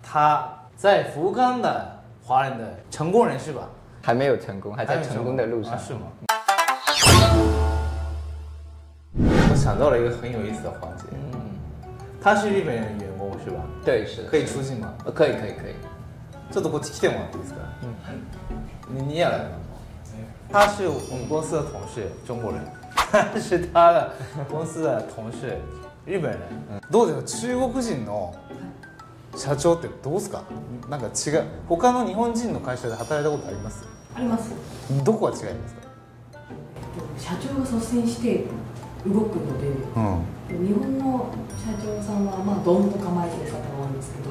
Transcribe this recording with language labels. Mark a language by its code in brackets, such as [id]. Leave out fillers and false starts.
[zh] 他在福冈的华人的成功人士吧？还没有成功，还在成功的路上。啊、是吗？我想到了一个很有意思的环节。嗯，他是日本人员工是吧？对，是。可以出境吗？可以，可以，可以。 [ja] ちょっとこっち来てもらっていいですか？ [zh] 嗯。你也来吗？他是我们公司的同事，中国人。是他的公司的同事，日本人。 [ja] どうですか？中国人の社長ってどうですか？なんか違う。他の日本人の会社で働いたことあります？あります。どこが違いますか？社長が率先して動くので、日本の社長さんはまあドンと構えてる方が多いんですけど、